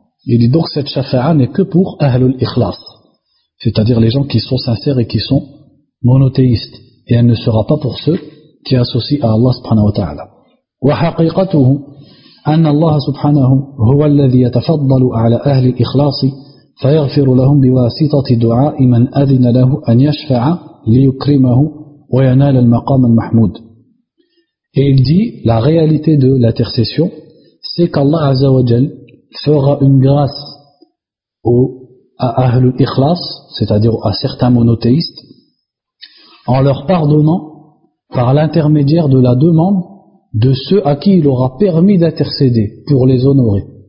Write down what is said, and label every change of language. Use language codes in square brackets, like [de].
[fr] Il dit donc cette shafa'a n'est que pour Ahlul Ikhlas, c'est-à-dire les gens qui sont sincères et qui sont monothéistes, et elle ne sera pas pour ceux qui associent à Allah subhanahu wa ta'ala. [ar] وحقيقته أن الله سبحانه هو الذي يتفضل على أهل الإخلاص فيغفر لهم بواسطة دعاء من أذن له أن يشفع ليكرمه وينال المقام المحمود. [fr] Et il dit, la réalité de l'intercession, c'est qu'Allah Azza wa Jal fera une grâce à Ahlul Ikhlas, c'est-à-dire à certains monothéistes, en leur pardonnant par l'intermédiaire de la demande de ceux à qui il aura permis d'intercéder pour les honorer.